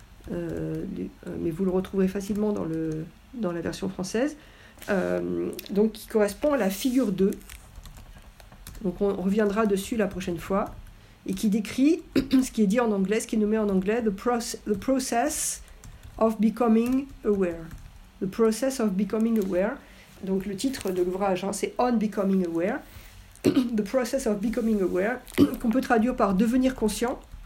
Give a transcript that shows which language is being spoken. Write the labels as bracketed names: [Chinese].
[French] mais vous le retrouverez facilement dans la version française. Donc qui correspond à la figure 2. Donc on reviendra dessus la prochaine fois. Et qui décrit ce qui est dit en anglais, ce qui est nommé en anglais, [English] the process of becoming aware. The process of becoming aware. [French] Donc le titre de l'ouvrage, hein, c'est On Becoming Aware. [English] The process of becoming aware, [French] qu'on peut traduire par devenir conscient.